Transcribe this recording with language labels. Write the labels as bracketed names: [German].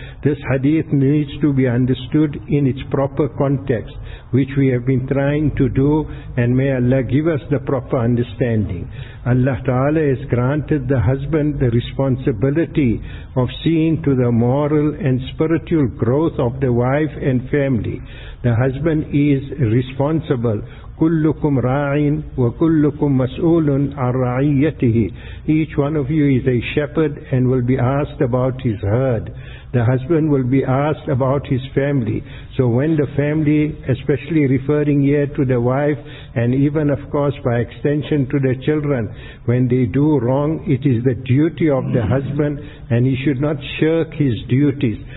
[English] This hadith needs to be understood in its proper context, which we have been trying to do, and may Allah give us the proper understanding. Allah Ta'ala has granted the husband the responsibility of seeing to the moral and spiritual growth of the wife and family. The husband is responsible. [Arabic] كلكم راعٍ وكلكم مسؤول عن رعيته. [English] Each one of you is a shepherd and will be asked about his herd. The husband will be asked about his family. So when the family, especially referring here to the wife, and even of course by extension to the children, when they do wrong, it is the duty of the husband, and he should not shirk his duties.